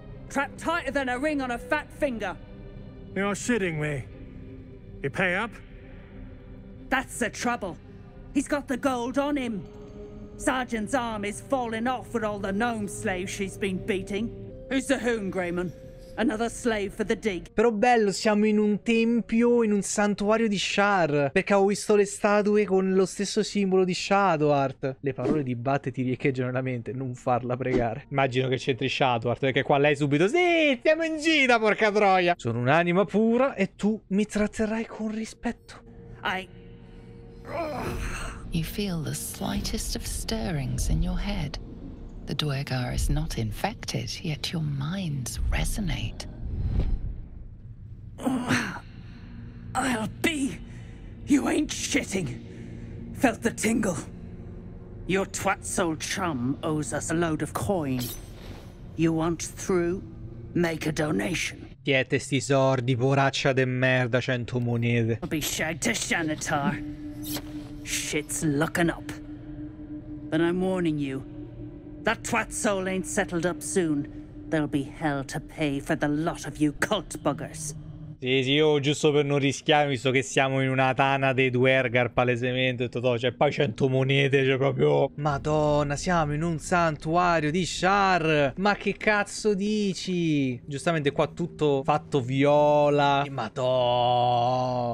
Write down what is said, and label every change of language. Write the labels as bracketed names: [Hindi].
[English] Trapped tighter than a ring on a fat finger. You're shitting me. You pay up? That's the trouble. He's got the gold on him. Sergeant's arm is falling off with all the gnome slaves she's been beating. Who's the Hoon, Greyman? Another slave for the dig. [Italian] Però bello, siamo in un tempio, in un santuario di Shar. Perché ho visto le statue con lo stesso simbolo di Shadow Art. Le parole di Bat ti riecheggiano nella mente, non farla pregare. Immagino che c'entri Shadow Art, perché qua lei subito. Sì, siamo in gita, porca troia. Sono un'anima pura e tu mi tratterrai con rispetto. [English] You feel the slightest of stirrings in your head. The Duergar is not infected, yet your minds resonate. I'll be. You ain't shitting. Felt the tingle. Your twat soul chum owes us a load of coin. You want through? Make a donation. [Italian] Diete sti sordi, poraccia de merda, 100 monete. [English] I'll be shagged to Shanitar. Shit's looking up. But I'm warning you. That twat soul ain't settled up soon. There'll be hell to pay for the lot of you cult buggers. [Italian] Sì, io giusto per non rischiare, visto che siamo in una tana dei Duergar palesemente, tutto, cioè poi 100 monete, cioè proprio... Madonna, siamo in un santuario di Shar, ma che cazzo dici? Giustamente qua tutto fatto viola, e madonna...